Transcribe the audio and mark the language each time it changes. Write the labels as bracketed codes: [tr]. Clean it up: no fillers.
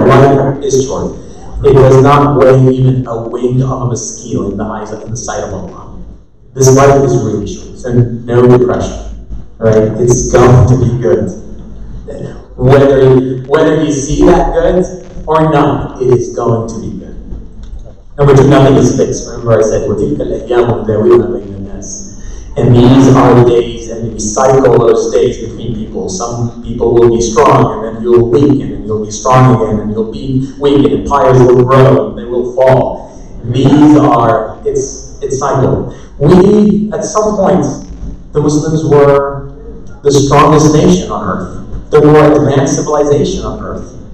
[en] Life is short. It does not weigh even a wing of a mosquito in the eyes of the sight of Allah. This life is really short. So no depression. Alright? It's going to be good. Whether you see that good or not, it is going to be good. Number two, nothing is fixed. Remember I said, [ar] وَتِلْكَ الْأَيَّامُ دَاوِلُهَا بَيْنَ النَّاسِ. [en] And these are the days, and the cycle of those days between people. Some people will be strong, and then you'll weaken, and you'll be strong again, and you'll be weak, and empires will grow, and they will fall. It's cycle. We, at some point, the Muslims were the strongest nation on earth, the more advanced civilization on earth.